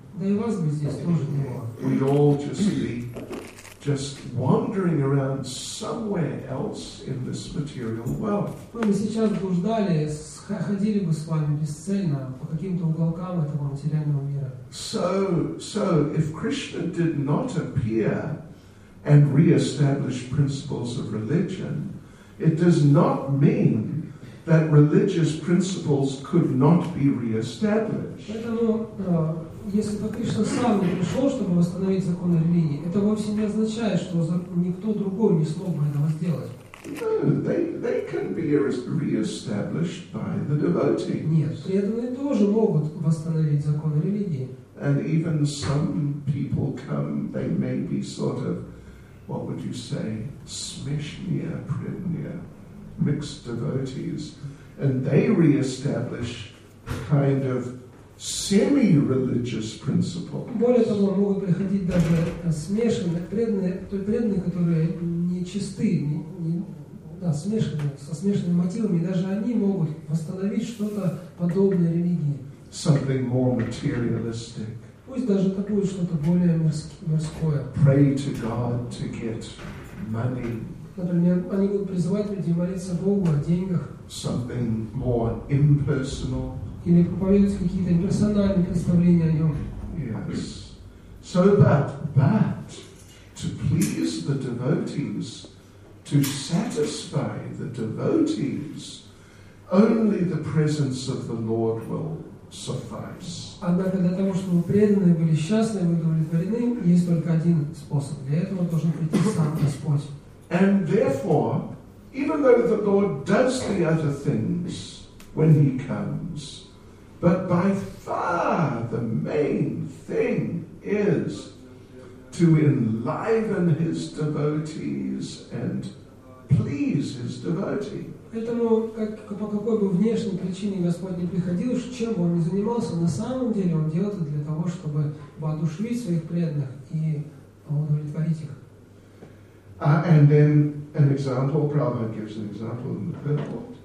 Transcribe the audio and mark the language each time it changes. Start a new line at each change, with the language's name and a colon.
Russian: Да и вас бы здесь тоже не было.
English: We'd all just be just wandering around somewhere else in this material world.
Russian: Мы бы сейчас блуждали, ходили бы с вами бесцельно по каким-то уголкам этого материального мира.
English: So if Krishna did not appear and re-establish principles of religion, it does not mean that religious principles could not be re-established.
Russian: Поэтому, если бы Кришна сам не пришел, чтобы восстановить законы религии, это вовсе не означает, что никто другой не смог бы этого сделать.
English: No, they can be re-established by the devotee.
Russian: Нет, преданные тоже могут восстановить законы религии.
English: And even some people come, they may be sort of, what would you say,
Russian: smishnya pridnya,
English: mixed devotees, and they re-establish kind of semi-religious principles.
Russian: Более того, могут приходить даже смешанные, преданные, которые нечистые, со смешанными мотивами, даже они могут восстановить что-то подобное религии.
English: Something more materialistic.
Russian: Пусть даже такое что-то более мирское.
English: Pray to God to get money.
Russian: Например, они будут призывать людей молиться Богу о деньгах.
English: Something more impersonal.
Russian: Или проповедовать какие-то персональные представления о нем.
English: Yes. So but to please the devotees, to satisfy the devotees, only the presence of the Lord will suffice.
Russian: Однако для того, чтобы преданные были счастливы и удовлетворены, есть только один способ. Для этого должен прийти сам Господь.
English: And therefore, even though the Lord does the other things when he comes, but by far the main thing is to enliven his devotees and please his devotees.
Russian: Поэтому, по какой бы внешней причине Господь не приходил, чем бы он ни занимался, на самом деле он делает это для того, чтобы воодушевить своих преданных и удовлетворить их.
English: And then an example, Prabhupada gives an example in the purport.